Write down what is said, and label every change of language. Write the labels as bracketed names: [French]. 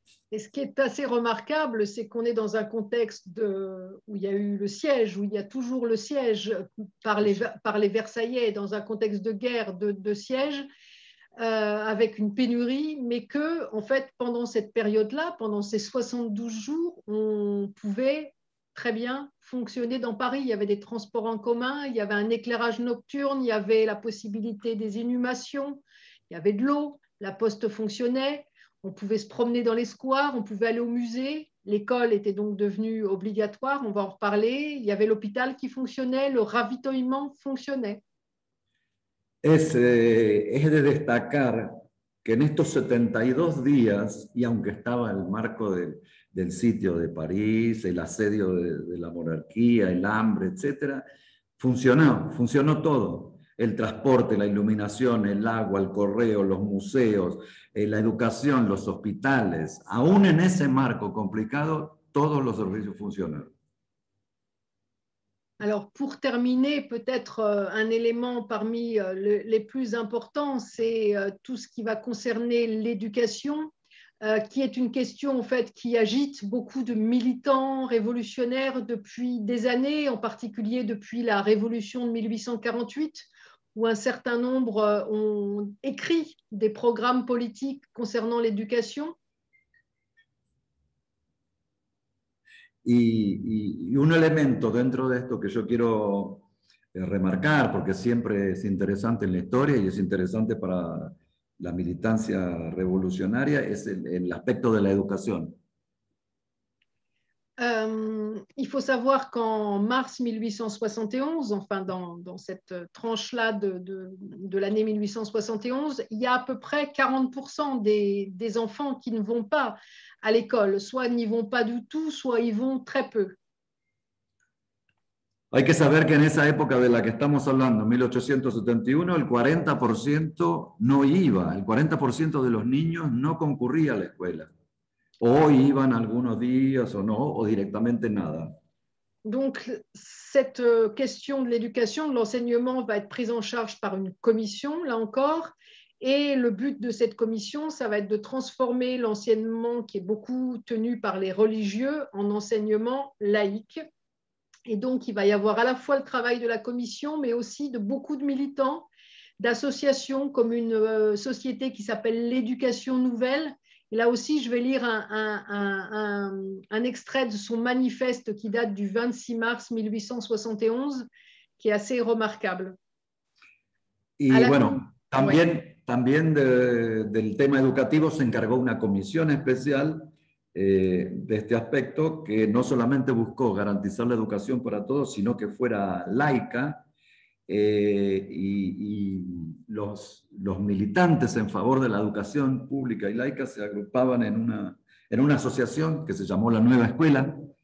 [French] Et ce qui est assez remarquable, c'est qu'on est dans un contexte où il y a eu le siège, où il y a toujours le siège par les Versaillais, dans un contexte de guerre, de siège, avec une pénurie, mais que, en fait, pendant cette période-là, pendant ces 72 jours, on pouvait très bien fonctionner dans Paris. Il y avait des transports en commun, il y avait un éclairage nocturne, il y avait la possibilité des inhumations, il y avait de l'eau, la poste fonctionnait, on pouvait se promener dans les squares, on pouvait aller au musée, l'école était donc devenue obligatoire, on va en reparler, il y avait l'hôpital qui fonctionnait, le ravitaillement fonctionnait. [Spanish] Es de destacar que en estos 72 días, y aunque estaba en el marco del sitio de París, el asedio de la monarquía, el hambre, etc., funcionó todo. El transporte, la iluminación, el agua, el correo, los museos, la educación, los hospitales, aún en ese marco complicado, todos los servicios funcionaron. [French] Alors, pour terminer, peut-être un élément parmi les plus importants, c'est tout ce qui va concerner l'éducation, qui est une question en fait qui agite beaucoup de militants révolutionnaires depuis des années, en particulier depuis la révolution de 1848. Où un certain nombre ont écrit des programmes politiques concernant l'éducation. [Spanish] Y un elemento dentro de esto que yo quiero remarcar, porque siempre es interesante en la historia y es interesante para la militancia revolucionaria, es el aspecto de la educación. [French] Il faut savoir qu'en mars 1871, enfin dans cette tranche-là de l'année 1871, il y a à peu près 40% des enfants qui ne vont pas à l'école. Soit ils n'y vont pas du tout, soit ils vont très peu. [Spanish] Hay que saber que en esa época de la que estamos hablando, 1871, el 40% no iba, el 40% de los niños no concurría a la escuela. O iban algunos días o no, o directamente nada. [French] Donc, cette question de l'éducation, de l'enseignement, va être prise en charge par une commission, là encore. Et le but de cette commission, ça va être de transformer l'enseignement qui est beaucoup tenu par les religieux en enseignement laïque. Et donc, il va y avoir à la fois le travail de la commission, mais aussi de beaucoup de militants, d'associations, comme une société qui s'appelle l'Éducation Nouvelle. Et là aussi, je vais lire un extrait de son manifeste qui date du 26 mars 1871, qui est assez remarquable. [Spanish] Et bueno, también del tema educativo se encargó una comisión especial de este aspecto que no solamente buscó garantizar la educación para todos, sino que fuera laica. Y los militantes en favor de la educación pública y laica se agrupaban en una asociación que se llamó la Nueva Escuela.